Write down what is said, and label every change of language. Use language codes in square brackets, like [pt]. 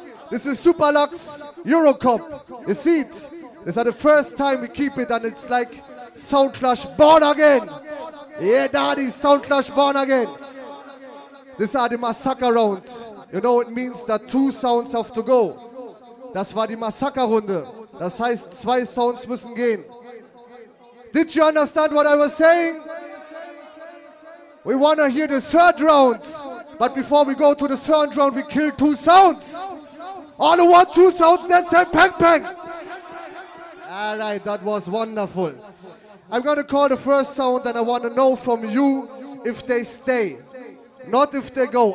[en] This is Superlux Eurocup. You see it? This is the first time we keep it, and it's like Sound Clash born again. Yeah, daddy, Sound Clash born again. This are the massacre rounds. You know, it means that two sounds have to go. [de] Das war die Massaker-Runde. Das heißt, zwei Sounds müssen gehen. [en] Did you understand what I was saying? We want to hear the third round. But before we go to the third round, we kill two sounds. All the one, two sounds, then say peng peng. All right, that was wonderful. I'm going to call the first sound and I want to know from you if they stay. Not if they go.